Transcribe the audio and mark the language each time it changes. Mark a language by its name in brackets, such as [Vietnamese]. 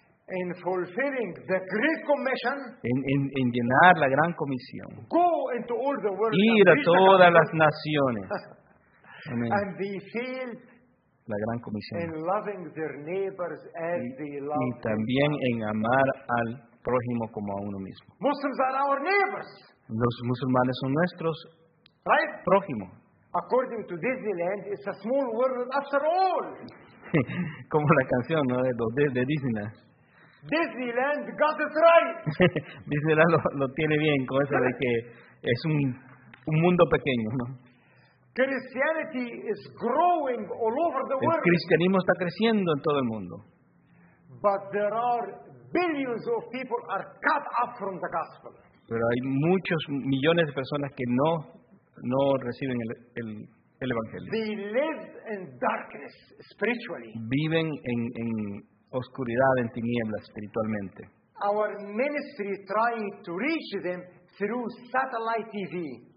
[English] in fulfilling the great commission, [Spanish] en llenar la gran comisión, [English] go into all the world, [Spanish] ir a todas las naciones, [English] and they failed [Spanish] la gran comisión, [English] in loving their neighbors as they love [Spanish] y también en amar al prójimo como a uno mismo. [English] Muslims are our neighbors. [Spanish] Los musulmanes son nuestros [English] right? [Spanish] prójimos. [English] According to Disneyland, it's a small world after all. [Spanish] Como la canción, ¿no? De Disneyland. [English] Disneyland got it right. [Spanish] Disneyland lo tiene bien con eso de que es un mundo pequeño, ¿no? [English] Christianity is growing all over the world. [Spanish] El cristianismo está creciendo en todo el mundo. [English] But there are billions of people are cut off from the gospel. [Spanish] Pero hay muchos millones de personas que no reciben el evangelio. [English] They live in darkness spiritually. [Spanish] Viven en oscuridad, en tinieblas espiritualmente. [English] Our ministry trying to reach them through satellite TV.